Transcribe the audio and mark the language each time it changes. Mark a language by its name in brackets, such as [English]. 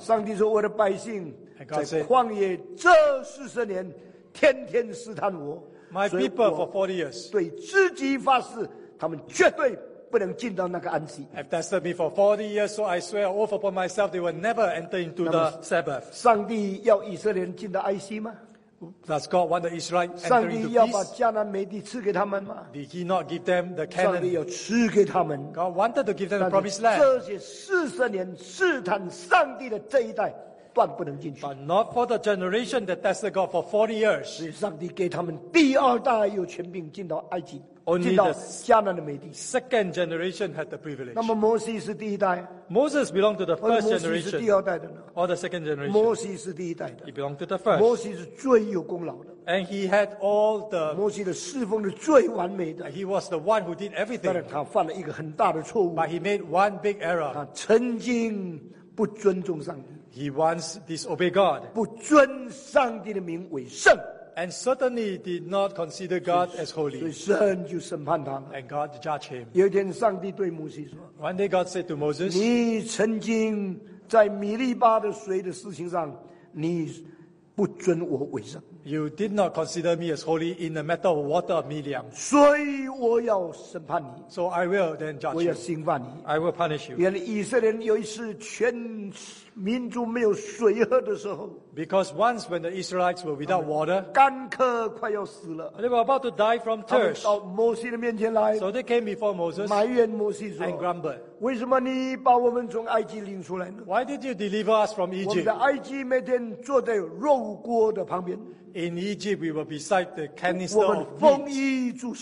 [Chinese] 上帝说我的百姓在旷野这四十年天天试探我 [English] My people for 40 years. [Chinese] 对自己发誓他们绝对不能进到那个安息。 [English] I've tested me for 40 years, so I swear all upon myself they will never enter into the Sabbath. [Chinese] 上帝要以色列人进到安息吗？ [English] Does God want the Israelites enter into peace? [Chinese] 上帝要把迦南美地赐给他们吗？ [English] Did He not give them the Canaan? [Chinese] 上帝要赐给他们。 [English] God wanted to give them the promised land. [Chinese] 这些四十年试探上帝的这一代断不能进去。 [English] But not for the generation that tested God for 40 years. [Chinese] 所以上帝给他们第二代有权柄进到埃及。 [English] Only the second generation had the privilege. [Chinese] 那么摩西是第一代。 [English] Moses belonged to the first generation. [Chinese] 摩西是第二代的呢。 [English] Or the second generation. [Chinese] 摩西是第一代的。 [English] He belonged to the first. [Chinese] 摩西是最有功劳的。 [English] And he had all the. [Chinese] 摩西的侍奉是最完美的。 [English] He was the one who did everything. [Chinese] 但是他犯了一个很大的错误。 [English] But he made one big error. [Chinese] 他曾经不尊重上帝。 [English] He once disobeyed God. [Chinese] 不尊上帝的名为圣。 [English] And certainly did not consider God as holy. [Chinese] 所以神就审判他们。 [English] And God judged him. [Chinese] 有一天，上帝对摩西说 [English] ：“One day, God said to Moses, [Chinese] 你曾经在米利巴的水的事情上，你不尊我为圣。 [English] You did not consider me as holy in the matter of water of Miriam. [Chinese] 所以我要审判你。 [English] So I will then judge you. [Chinese] 我要刑罚你。 [English] I will punish you. [Chinese] 原来以色列人有一次全民族没有水喝的时候。 [English] Because once when the Israelites were without water, [Chinese] 干渴快要死了。 [English] They were about to die from thirst. [Chinese] 他们到摩西的面前来。 [English] So they came before Moses. [Chinese] 埋怨摩西说。 [English] And grumbled. [Chinese] 为什么你把我们从埃及领出来呢？ [English] Why did you deliver us from Egypt? [Chinese] 我们在埃及每天坐在肉锅的旁边。 [English] In Egypt, we were beside the canister of meat.